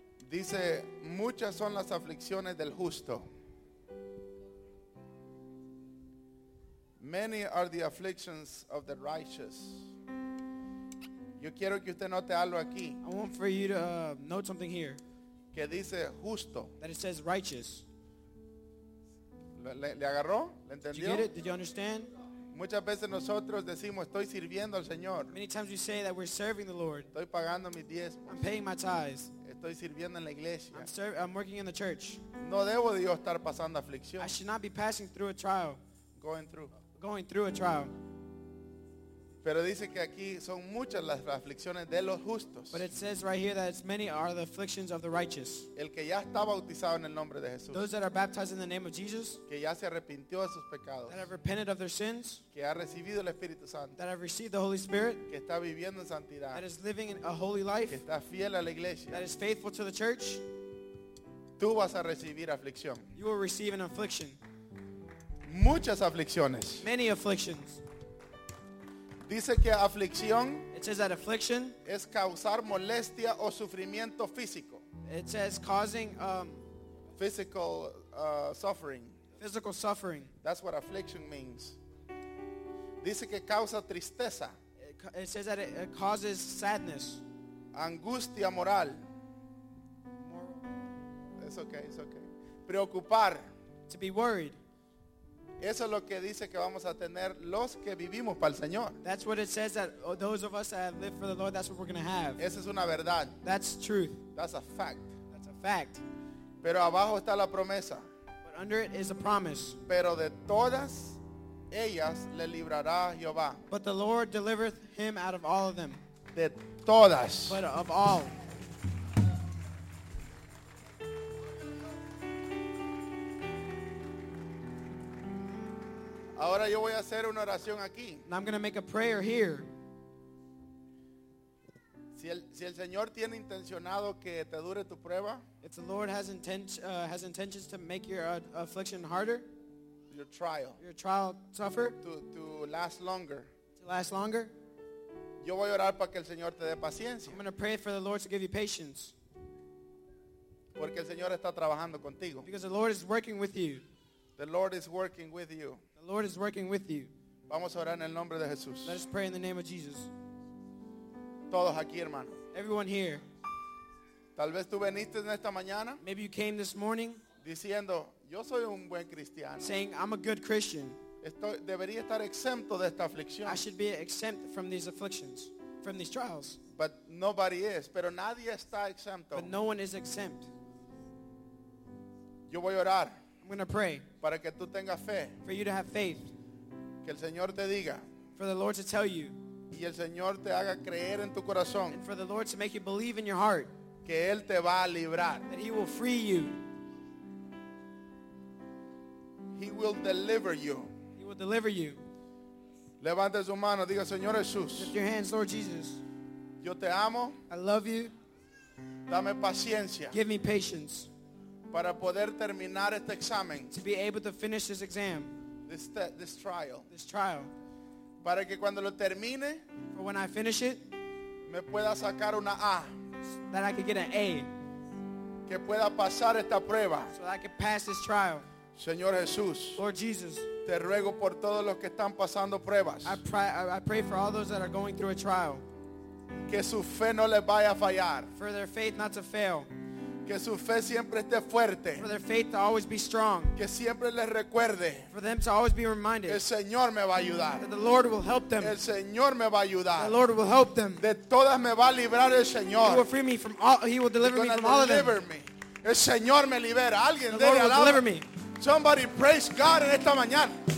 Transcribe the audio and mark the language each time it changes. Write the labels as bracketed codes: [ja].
[es] Dice, muchas son las aflicciones del justo. [en] Many are the afflictions of the righteous. [es] Yo quiero que usted note algo aquí. [en] I want for you to note something here. [es] Que dice justo. [en] That it says righteous. [es] ¿Le agarró? ¿Le entendió? [en] Did you get it? Did you understand? [es] Muchas veces nosotros decimos, estoy sirviendo al Señor. [en] Many times we say that we're serving the Lord. [es] Estoy pagando mis diezmos. [en] I'm paying my tithes. [es] Estoy sirviendo en la iglesia. [en] I'm working in the church. [es] No debo de yo estar pasando aflicción. [en] I should not be passing through a trial. Going through a trial. [es] Pero dice que aquí son muchas las aflicciones de los justos. [en] But it says right here that it's many are the afflictions of the righteous. [es] El que ya está bautizado en el nombre de Jesús. [en] Those that are baptized in the name of Jesus. [es] Que ya se arrepintió de sus pecados. [en] That have repented of their sins. [es] Que ha recibido el Espíritu Santo. [en] That have received the Holy Spirit. [es] Que está viviendo en santidad. [en] That is living a holy life. [es] Que está fiel a la iglesia. [en] That is faithful to the church. [es] Tú vas a recibir aflicción. [en] You will receive an affliction. [es] Muchas aflicciones. [en] Many afflictions. [es] Dice que aflicción, [en] it says that affliction, [es] es causar molestia o sufrimiento físico. [en] It says causing physical suffering. That's what affliction means. [es] Dice que causa tristeza. [en] It says that it causes sadness. [es] Angustia moral. [en] It's okay. [es] Preocupar. [en] To be worried. [es] Eso es lo que dice que vamos a tener los que vivimos para el Señor. [en] That's what it says that those of us that have lived for the Lord, that's what we're going to have. [es] Esa es una verdad. [en] That's truth. That's a fact. That's a fact. [es] Pero abajo está la promesa. [en] But under it is a promise. [es] Pero de todas ellas le librará Jehová. [en] But the Lord delivereth him out of all of them. [es] De todas. [en] But of all. [es] Ahora yo voy a hacer una oración aquí. [en] I'm going to make a prayer here. [es] Si el Señor tiene intencionado que te dure tu prueba, [en] if the Lord has intentions to make your affliction harder, your trial tougher, to last longer, [es] yo voy a orar para que el Señor te dé paciencia. [en] I'm going to pray for the Lord to give you patience. [es] Porque el Señor está trabajando contigo. [en] Because the Lord is working with you. The Lord is working with you. The Lord is working with you. [es] Vamos a orar en el nombre de Jesús. [en] Let us pray in the name of Jesus. [es] Todos aquí, hermano. [en] Everyone here. [es] Tal vez tú veniste en esta mañana. [en] Maybe you came this morning. [es] Diciendo, yo soy un buen cristiano. [en] Saying, I'm a good Christian. [es] Debería estar exento de esta aflicción. [en] I should be exempt from these afflictions, from these trials. But nobody is. [es] Pero nadie está exento. [en] But no one is exempt. [es] Yo voy a orar. [en] I'm going to pray [es] para que tú tengas fe, [en] for you to have faith, [es] que el Señor te diga, [en] for the Lord to tell you, [es] y el Señor te haga creer en tu corazón, [en] and for the Lord to make you believe in your heart, [es] que Él te va a librar, [en] that He will free you. He will deliver you. He will deliver you. [es] Levante su mano, diga, Señor Jesús, [en] lift your hands, Lord Jesus. [es] Yo te amo. [en] I love you. [es] Dame paciencia. [en] Give me patience. [es] Para poder terminar este examen. [en] To be able to finish this exam. This trial. This trial. [es] Para que cuando lo termine. [en] For when I finish it. [es] Me pueda sacar una A. [en] So that I could get an A. [es] Que pueda pasar esta prueba. [en] So that I could pass this trial. [es] Señor Jesús. [en] Lord Jesus. [es] Te ruego por todos los que están pasando pruebas. [en] I pray for all those that are going through a trial. [es] Que su fe no les vaya a fallar. [en] For their faith not to fail. [es] Que su fe siempre esté fuerte. [en] For their faith to always be strong. [es] Que siempre les recuerde. [en] For them to always be reminded. [es] El Señor me va a ayudar. [en] That the Lord will help them. [es] El Señor me va a ayudar. [en] The Lord will help them. [es] De todas me va a librar el Señor. [en] He will free me from all. He will deliver me from all of them. [es] El Señor me libera. Alguien [en] the Lord will deliver me. Somebody praise God [es] en esta mañana.